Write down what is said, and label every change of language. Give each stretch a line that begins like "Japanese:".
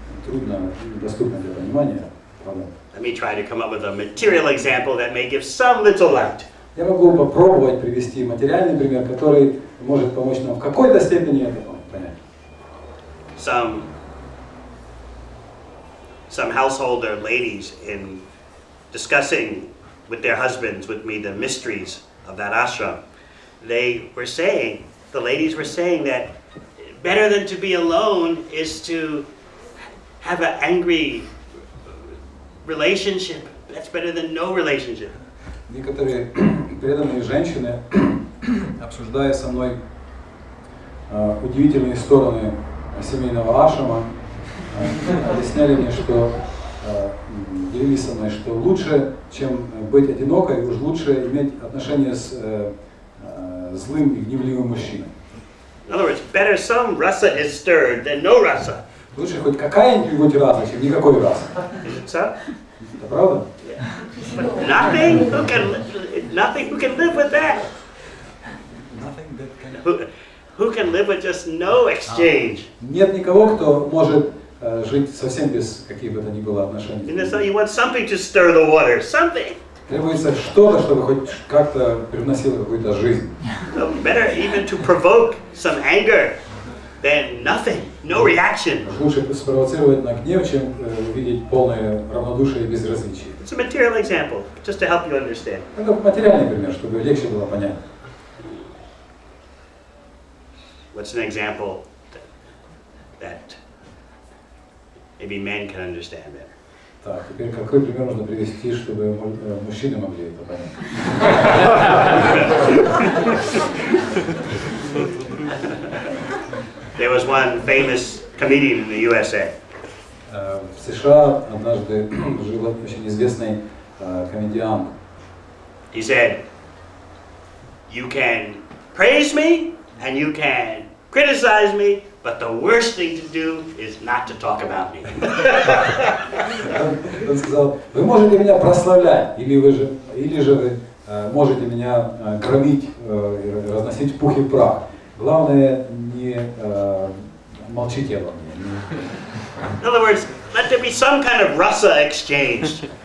Russian: Трудно, недоступно для понимания.
English: Let me try to come up with a material example that may give some little light.
Russian: Я могу попробовать привести материальный пример, который может помочь нам в какой-то степени это понять.
English: Some householder ladies in discussing with their husbands, with me, the mysteries of that ashram, the ladies were saying that better than to be alone is to have an angry relationship. That's better than no relationship.
Russian: Некоторые преданные женщины, обсуждая со мной удивительные стороны семейного ашрама, объясняли мне, что делились со мной, что лучше, чем быть одинокой, уж лучше иметь отношения с злым и гневливым мужчиной.
English: In other words, better some rasa is stirred than no rasa.
Russian: Лучше хоть какая-нибудь раса, чем никакой раса.
English: Is it so?
Russian: Это правда?
English: Yeah. But nothing who can live with that. Nothing that can. Who can live with just no exchange?
Russian: Нет никого, кто может жить совсем без каких бы то ни было отношений.
English: And so you want something to stir the water, something.
Russian: Требуется что-то, чтобы хоть как-то привносило какую-то жизнь.
English: So better even to provoke some anger than nothing, no reaction.
Russian: Лучше спровоцировать на гнев, чем увидеть полное равнодушие и безразличие.
English: It's a material example, just to help you understand.
Russian: Это материальный пример, чтобы легче было понять.
English: What's an example that maybe men can understand better?
Russian: Так, теперь какой пример можно привести, чтобы мужчины могли это понять?
English: There was one famous comedian in the USA.
Russian: В США однажды жил очень известный комедиан.
English: He said, "You can praise me and you can criticize me, but the worst thing to do is not to talk about me."
Russian: Он сказал, вы можете меня прославлять, или же вы можете меня громить, разносить пух и прах. Главное, не молчите обо мне.
English: In other words, let there be some kind of rasa exchange.